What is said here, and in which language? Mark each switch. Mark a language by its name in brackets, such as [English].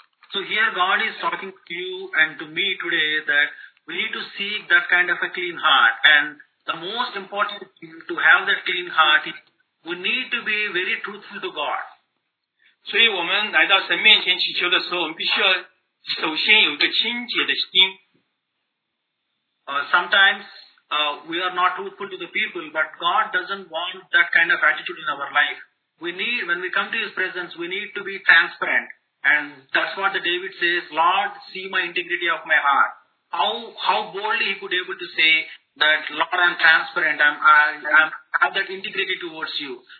[English] So here God is talking to you and to me today that we need to seek that kind of a clean heart. And the most important thing to have that clean heart is we need to be very truthful to God. [Chinese] 所以我们来到神面前祈求的时候，我们必须要首先有一个清洁的心。 [English] Sometimes we are not truthful to the people, but God doesn't want that kind of attitude in our life. When we come to His presence, we need to be transparent. And that's what the David says, Lord, see my integrity of my heart. How boldly he could able to say that, Lord, I'm transparent, I have that integrity towards you.